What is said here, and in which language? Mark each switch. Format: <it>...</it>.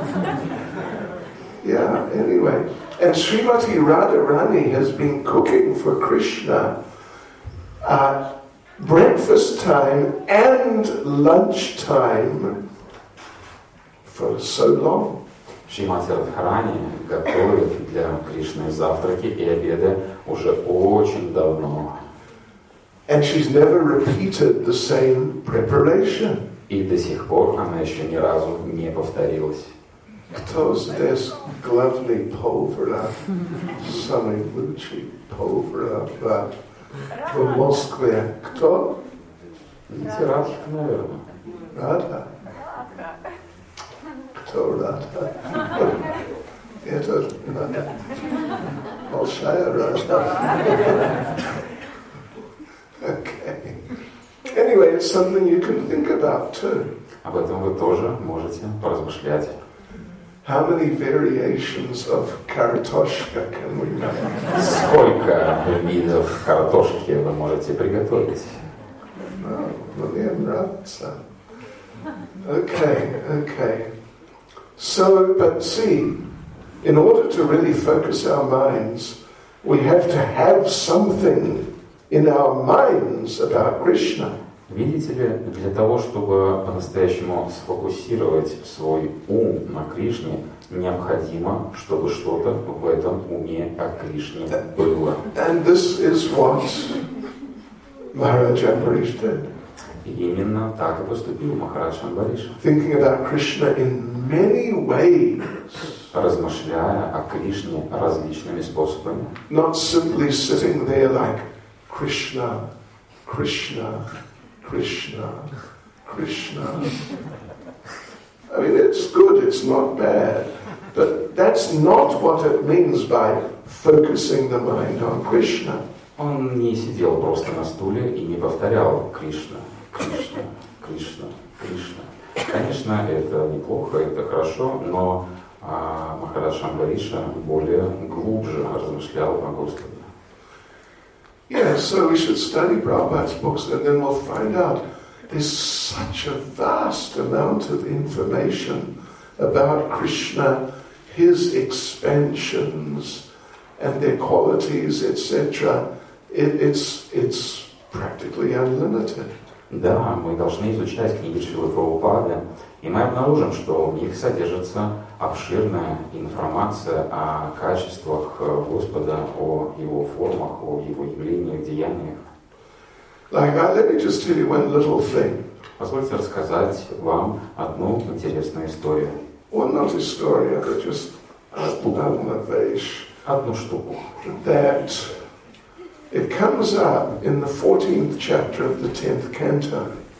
<en>Anyway, and Srimati Radharani has been cooking for Krishna at breakfast time and lunch time for so long.</en> <ru>Шримати Радхарани готовит для Кришны завтраки и обеды уже очень давно.</ru> <en>And she's never repeated the same preparation.</en> <ru>И до сих пор она еще ни разу не повторилась. Кто здесь главный повар, самый лучший повар в Москве? Кто? Литератор, наверное. Рада. Кто Рада? Это большая Рада.</ru> <en>Okay. Anyway, it's something you can think about too.</en> <ru>Об этом вы тоже можете поразмышлять.</ru> <en>How many variations of картошка can we make?</en> <ru>Сколько видов картошки вы можете приготовить? Ну, мне нравится. Okay.</ru> <en>So, but see, in order to really focus our minds, we have to have something in our minds about Krishna.</en> <ru>Видите ли, для того, чтобы по-настоящему сфокусировать свой ум на Кришне, необходимо, чтобы что-то в этом уме о Кришне было.</ru> <en>And this is what Maharaj Ambarish did.</en> <ru>И именно так и поступил Махарадж Амбариш.</ru> <en>Thinking about Krishna in many ways.</en> <ru>Размышляя о Кришне различными способами.</ru> <en>Not simply sitting there like Krishna, Krishna, Krishna, Krishna. I mean, it's good, it's not bad. But that's not what it means by focusing the mind on Krishna.</en> <ru>Он не сидел просто на стуле и не повторял Кришна, Кришна, Кришна, Кришна. Конечно, это неплохо, это хорошо, но Махарадж Амбариша более глубже размышлял о Господе.</ru> <en>Yeah, so we should study Prabhupada's books and then we'll find out there's such a vast amount of information about Krishna, his expansions and their qualities, etc. It's practically unlimited.</en> <ru>Да, мы должны изучать книги Шрилы Прабхупады, и мы обнаружим, что в них содержится обширная информация о качествах Господа, о Его формах, о Его явлениях, деяниях.</ru> <en>Let me just tell you one little thing.</en> <ru>Позвольте рассказать вам одну интересную историю.</ru> <en>Well, not история, but just</en> <ru>одна вещь. Одну штуку.</ru> <en>That it comes up in the 14th chapter of the 10th canto.</en>